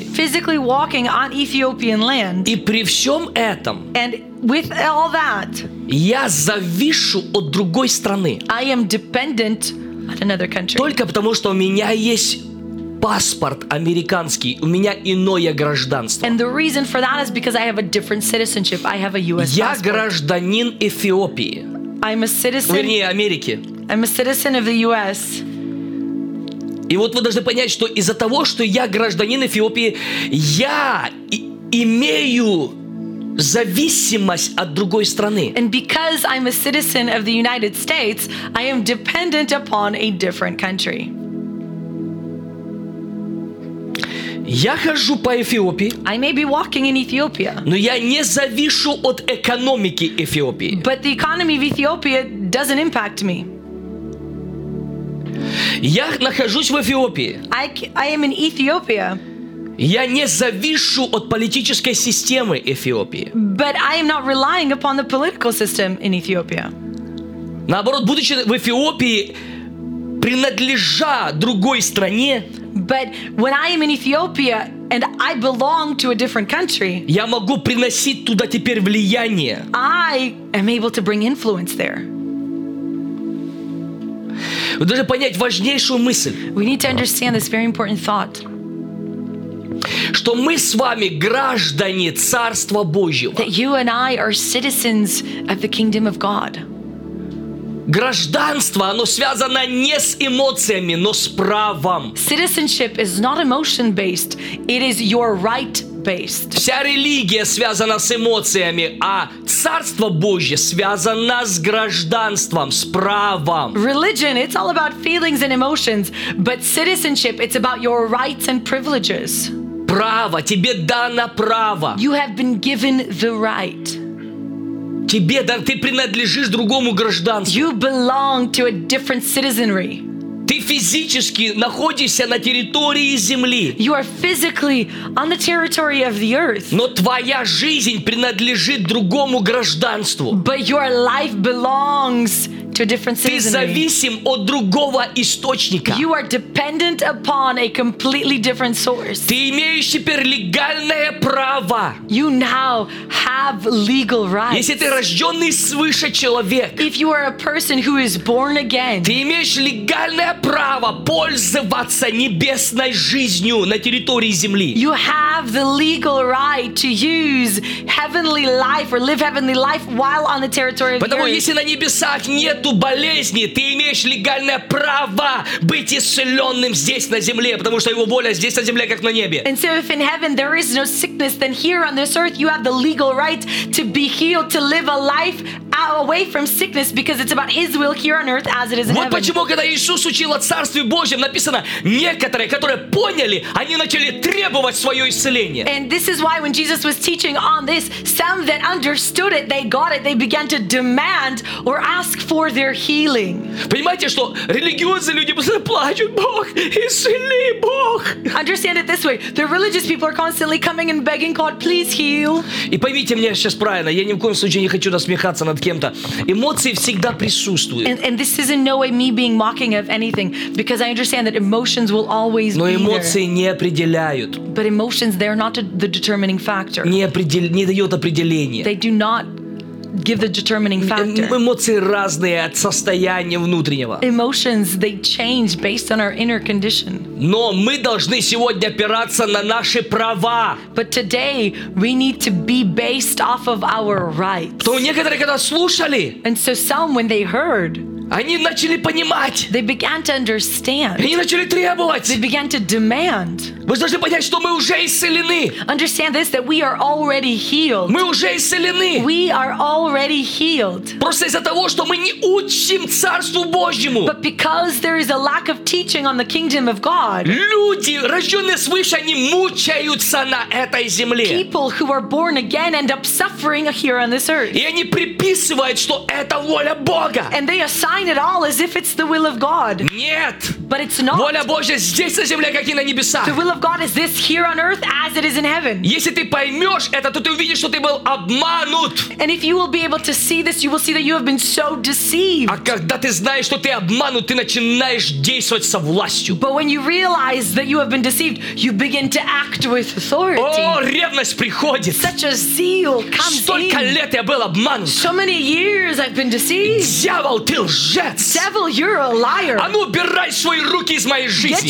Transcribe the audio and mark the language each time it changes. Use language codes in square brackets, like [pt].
[en] physically walking on Ethiopian land, [ru] и при всем этом, [en] and with all that, [ru] я завишу от другой страны. [en] I am dependent on another country. [ru] Только потому, что у меня есть паспорт американский, у меня иное гражданство. [en] And the reason for that is because I have a different citizenship. I have a US passport. [ru] Я гражданин Эфиопии. [en] I'm a citizen. [ru] Вернее, Америки. [en] I'm a citizen of the US. [ru] И вот вы должны понять, что из-за того, что я гражданин Эфиопии, я имею зависимость от другой страны. [en] And because I'm a citizen of the United States, I am dependent upon a different country. [ru] Я хожу по Эфиопии. [en] I may be walking in Ethiopia. [ru] Но я не завишу от экономики Эфиопии. [en] But the economy of Ethiopia doesn't impact me. [ru] Я нахожусь в Эфиопии. [en] I am in Ethiopia. [ru] Я не завишу от политической системы Эфиопии. [en] But I am not relying upon the political system in Ethiopia. [ru] Наоборот, будучи в Эфиопии, принадлежа другой стране, [en] But when I am in Ethiopia and I belong to a different country, [ru] я могу приносить туда теперь влияние. [en] I am able to bring influence there. [ru] Вы должны понять важнейшую мысль. [en] We need to understand this very important thought. [ru] Что мы с вами граждане Царства Божьего. [en] That you and I are citizens of the kingdom of God. [ru] Гражданство, оно связано не с эмоциями, но с правом. [en] Citizenship is not emotion-based, it is your right-based. [ru] Вся религия связана с эмоциями, а Царство Божье связано с гражданством, с правом. [en] Religion, it's all about feelings and emotions, but citizenship, it's about your rights and privileges. [ru] Право, тебе дано право. [en] You have been given the right. [ru] Тебе, да, ты принадлежишь другому гражданству. [en] You belong to a different citizenry. [ru] Ты физически находишься на территории земли. [en] You are physically on the territory of the earth. [ru] Но твоя жизнь принадлежит другому гражданству. [en] But your life belongs to a different citizenry. [ru] Ты зависим от другого источника. [en] You are dependent upon a completely different source. [ru] Ты имеешь теперь легальное право. [en] You now have legal rights. [ru] Если ты рожденный свыше человек, [en] if you are a person who is born again, [ru] ты имеешь легальное право пользоваться небесной жизнью на территории земли. [en] You have the legal right to use heavenly life or live heavenly life while on the territory of the earth. [ru] Потому если на небесах нет болезни, ты имеешь легальное право быть исцеленным здесь на земле, потому что его воля здесь на земле, как на небе. [en] And so if in heaven there is no sickness, then here on this earth you have the legal right to be healed, to live a life away from sickness, because it's about his will here on earth as it is in [ru] вот [en] heaven. [ru] Вот почему, когда Иисус учил о Царстве Божьем, написано, некоторые, которые поняли, они начали требовать свое исцеление. [en] And this is why when Jesus was teaching on this, some that understood it, they got it, they began to demand or ask for their healing. [ru] Понимаете, что религиозные люди постоянно плачут, Бог, исцели, Бог. [en] Understand it this way. The religious people are constantly coming and begging God, please heal. [ru] И поймите меня сейчас правильно, я ни в коем случае не хочу насмехаться над кем-то. Эмоции всегда присутствуют. [en] And this is in no way me being mocking of anything, because I understand that emotions will always be [ru] there. Но эмоции не определяют. [en] But emotions, they are not the determining factor. [ru] Не дает определения. [en] They do not give the determining factor. [ru] Эмоции разные от состояния внутреннего. [en] Emotions, they change based on our inner condition. [ru] Но мы должны сегодня опираться на наши права. [en] But today we need to be based off of our rights. [ru] То некоторые когда слушали, [en] and so some when they heard, [ru] они начали понимать. [en] They began to understand. [ru] Они начали требовать. [en] They began to demand. [ru] Вы должны понять, что мы уже исцелены. [en] Understand this, that we are already healed. [ru] Мы уже исцелены. [en] We are already healed. [ru] Просто из-за того, что мы не учим Царству Божьему. [en] But because there is a lack of teaching on the kingdom of God. [ru] Люди, рожденные свыше, они мучаются на этой земле. [en] People who are born again end up suffering here on this earth. [ru] И они приписывают, что это воля Бога. [en] And they sign it all as if it's the will of God. [ru] Нет. [en] But it's not. [ru] Воля Божья здесь на земле, как и на небесах. [en] The will of God is this here on earth as it is in heaven. [ru] Если ты поймешь это, то ты увидишь, что ты был обманут. [en] And if you will be able to see this, you will see that you have been so deceived. [ru] А когда ты знаешь, что ты обманут, ты начинаешь действовать со властью. [en] But when you realize that you have been deceived, you begin to act with authority. [ru] О, ревность приходит. [en] Such a zeal comes. [ru] Столько лет я был обманут. [en] So many years I've been deceived. [ru] Дьявол, ты лжец. [en] Devil, you're a liar. [ru] А ну, убирай свои руки из моей жизни.